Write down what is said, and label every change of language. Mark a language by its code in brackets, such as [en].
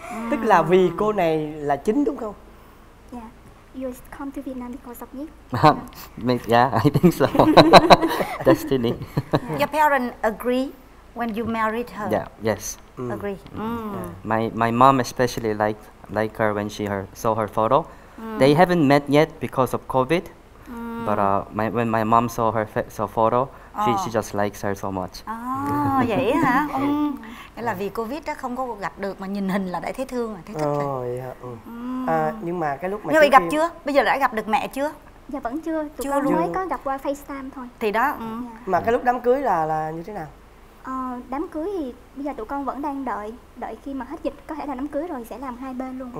[vi] Tức là vì cô này là chính đúng không? [en] Yeah, you come to Vietnam because of me. Yeah, I think so. Destiny. Your parents agree when you married her? Yeah, yes. Agree. My mom especially liked her when she saw her photo. They haven't met yet because of COVID. But when my mom saw her photo, she just likes her so much. [vi] Vậy hả? Nghĩa là vì COVID đó không có gặp được mà nhìn hình là đã thấy thương rồi, thấy thích rồi. Nhưng mà cái lúc mà nhưng mà gặp chưa? Bây giờ đã gặp được mẹ chưa? Dạ vẫn chưa, tụi chưa con luôn. Mới có gặp qua FaceTime thôi. Thì đó, dạ. Mà cái lúc đám cưới là như thế nào? Đám cưới thì bây giờ tụi con vẫn đang đợi khi mà hết dịch có thể là đám cưới rồi sẽ làm hai bên luôn.